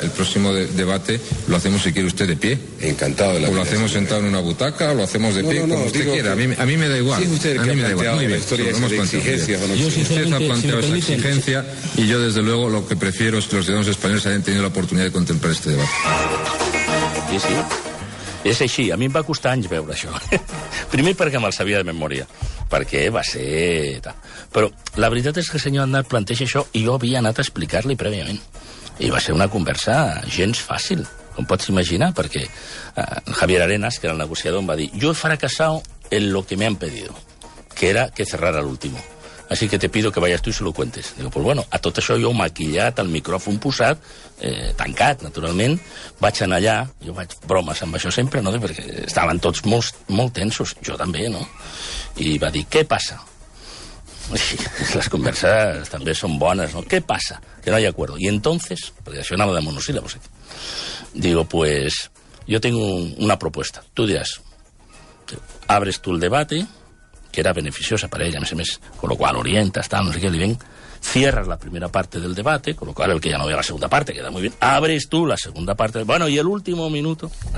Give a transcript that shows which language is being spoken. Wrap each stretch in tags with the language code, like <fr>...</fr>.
<es>El próximo debate lo hacemos, si quiere usted, de pie. Encantado. O lo hacemos sentado en una butaca, o lo hacemos de pie, como usted quiera. A mí me da igual. Sí, usted que ha planteado la historia de exigencia. Usted ha planteado esa exigencia, y yo, desde luego, lo que prefiero es que los ciudadanos españoles hayan tenido la oportunidad de contemplar este debate. Sí, sí.</es> <ca>És així, a mi em va costar anys veure això. Primer perquè me'l sabia de memòria, perquè va ser... Però la veritat és que el senyor Aznar planteja això i jo havia anat a explicar-li prèviament. I va ser una conversa gens fàcil, com pots imaginar, perquè Javier Arenas, que era el negociador, em va dir:</ca> <es>"Yo he fracasado en lo que me han pedido, que era que cerrara l'último. Así que te pido que vayas tú y se lo cuentes." Digo, pues bueno,</es> <ca>a tot això jo maquillat, el micròfon posat, tancat, naturalment, vaig anar allà, jo vaig bromes amb això sempre, no? Perquè estaven tots molt, molt tensos, jo també, no? I va dir: "Què passa?" I les converses també són bones, no?</ca> <es>"¿Qué pasa? Que no hay acuerdo." Y entonces,</es> <ca>perquè això anava de monosílabos, aquí.</ca> <es>Digo, pues, yo tengo una propuesta. Tú dirás, abres tú el debate, que era beneficiosa para ella, con lo cual orientas, tal, no sé qué, le ven, cierras la primera parte del debate, con lo cual el que ya no vea la segunda parte, queda muy bien, abres tú la segunda parte, bueno, y el último minuto,</es>